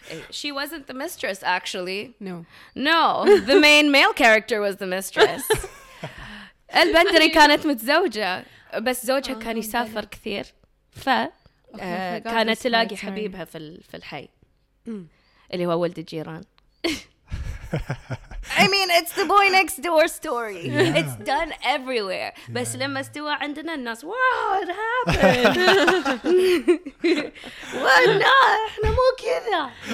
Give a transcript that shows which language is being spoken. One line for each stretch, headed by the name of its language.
English: She wasn't the mistress, actually. No. No. The main male character was the mistress.
Arabic: البندري كانت متزوجة، بس زوجها كان يسافر كثير، فكانت تلاقي حبيبها في الحي اللي هو ولد الجيران.
English: I mean, it's the boy next door story. Yeah. It's done everywhere.
Arabic: But لما استوى عندنا الناس,
English: wow, it happened.
Arabic: No, إحنا مو كذا.